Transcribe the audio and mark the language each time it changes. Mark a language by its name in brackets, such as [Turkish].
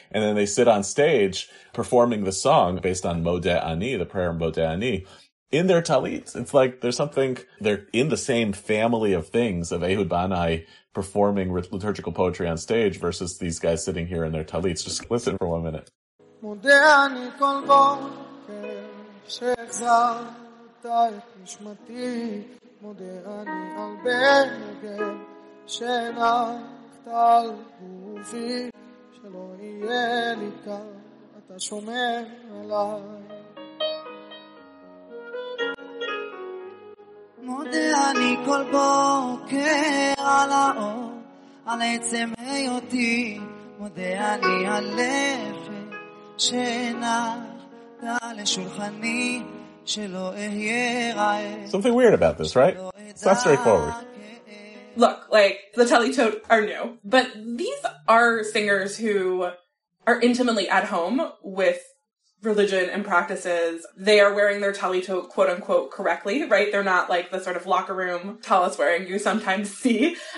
[English] And then they sit on stage performing the song based on Mode Ani, the prayer Mode Ani, in their talits. It's like there's something, they're in the same family of things of Ehud Banai performing liturgical poetry on stage versus these guys sitting here in their talits. Just listen for 1 minute. [Hebrew] Mode Ani kol boker מודה אני על בן נגב שנחת על גופי שלא יהיה לי כאן אתה שומר עליי מודה אני כל בוקר על האור על עצם היותי מודה אני על לפת שנחת לשולחני [English] Something weird about this, right? It's not straightforward. Look, like, the Talit Tot are new, but these are singers who are intimately at home with religion and practices. They are wearing their Talit Tot, quote-unquote, correctly, right? They're not, like, the sort of locker room tallis wearing you sometimes see.